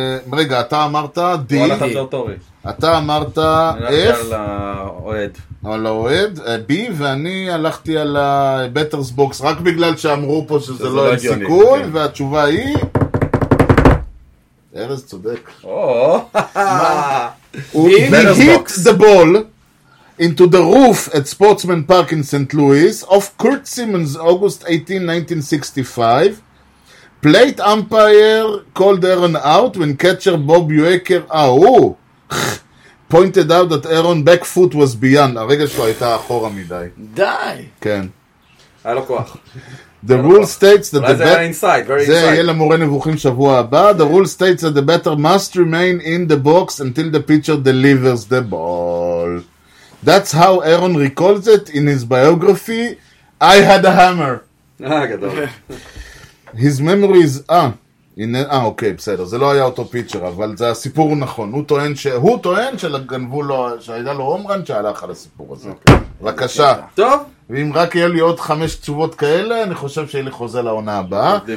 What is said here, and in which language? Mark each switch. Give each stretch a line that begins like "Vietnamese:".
Hebrew: ורגע, אתה אמרת די. הוא הלך את ג'ו טורי. אתה אמרת F. אני הלכתי על האוהד. על האוהד, B, ואני הלכתי על הבטרס בוקס רק בגלל שאמרו פה שזה לא עם סיכון, והתשובה היא... ארז צודק.
English: הוא hit the ball into the roof at Sportsman Park in St. Louis of Kurt Simmons, August 18, 1965. Plate umpire called Aaron out when catcher Bob Uecker pointed out that Aaron back foot was beyond.
Hebrew: הרגע שלו הייתה אחורה מדי. די! כן. היה לו כוח.
English: The rule states that the batter inside, very inside.
Hebrew: זה יהיה למורה נבוכים שבוע הבא.
English: The rule states that the batter must remain in the box until the pitcher delivers the ball. That's how Aaron recalls it in his biography. I had a hammer.
Hebrew: גדול.
English: His memories
Hebrew: אוקיי, בסדר. זה לא היה אותו פיצ'ר, אבל זה הסיפור הוא נכון. הוא טוען שגנבו לו, שהיה לו הומרן שהלך על הסיפור הזה. בבקשה. טוב. ואם רק יהיה לי עוד חמש תשובות כאלה, אני חושב שיהיה לי חוזה לעונה הבאה.